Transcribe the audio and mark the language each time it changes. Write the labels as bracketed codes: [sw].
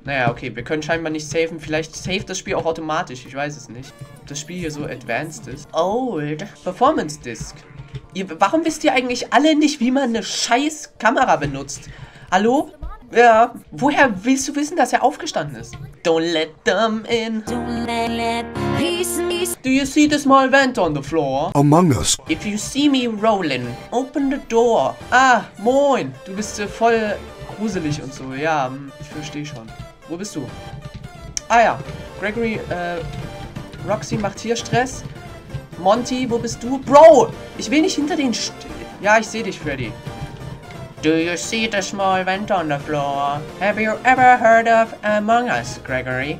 [de] Naja, okay, wir können scheinbar nicht saven. Vielleicht save das Spiel auch automatisch, ich weiß es nicht. Ob das Spiel hier so advanced ist. Old. Performance Disc. Warum wisst ihr eigentlich alle nicht, wie man eine scheiß Kamera benutzt? Hallo? Ja, woher willst du wissen, dass er aufgestanden ist? [en] Don't let them in. Do you see the small vent on the floor? Among us. If you see me rolling, open the door. [de] Ah, moin. Du bist voll gruselig und so. Ja, ich verstehe schon. Wo bist du? Ah ja, Gregory, Roxy macht hier Stress. Monty, wo bist du? Bro, ich will nicht hinter den... Ja, ich sehe dich, Freddy. [en] Do you see the small vent on the floor? Have you ever heard of Among Us, Gregory?